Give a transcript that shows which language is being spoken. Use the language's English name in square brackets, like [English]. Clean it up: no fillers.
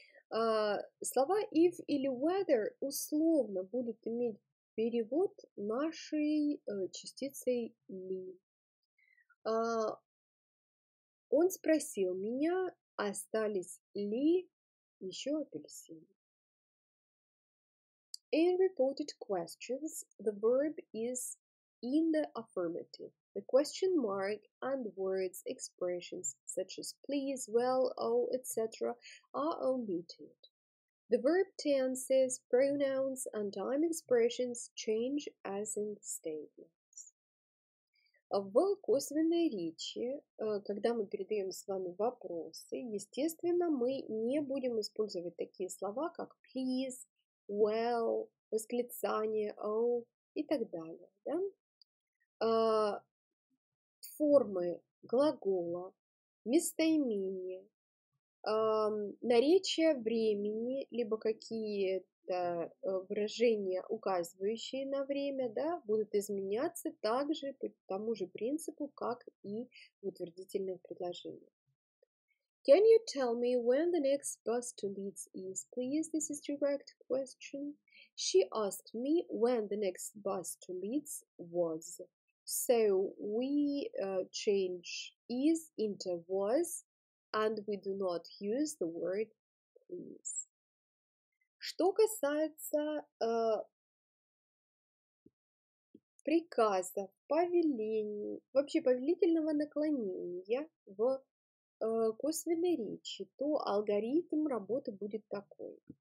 [Russian] Слова if или whether условно будут иметь перевод нашей частицей me. Он спросил меня, остались ли еще апельсины. [English] In reported questions, the verb is in the affirmative. The question mark and words, expressions such as please, well, oh, etc. are omitted. The verb tenses, pronouns and time expressions change as in statements. [Russian] В косвенной речи, когда мы передаем с вами вопросы, естественно, мы не будем использовать такие слова, как please, well, восклицание, oh и так далее. Да? Формы глагола, местоимения, наречия времени, либо какие-то выражения, указывающие на время, да, будут изменяться также по тому же принципу, как и утвердительное предложение. [English] Can you tell me when the next bus to Leeds is, please? This is a direct question. She asked me when the next bus to Leeds was. So we change is into was, and we do not use the word please. [Russian] Что касается приказов, повелений, вообще повелительного наклонения в косвенной речи, то алгоритм работы будет такой.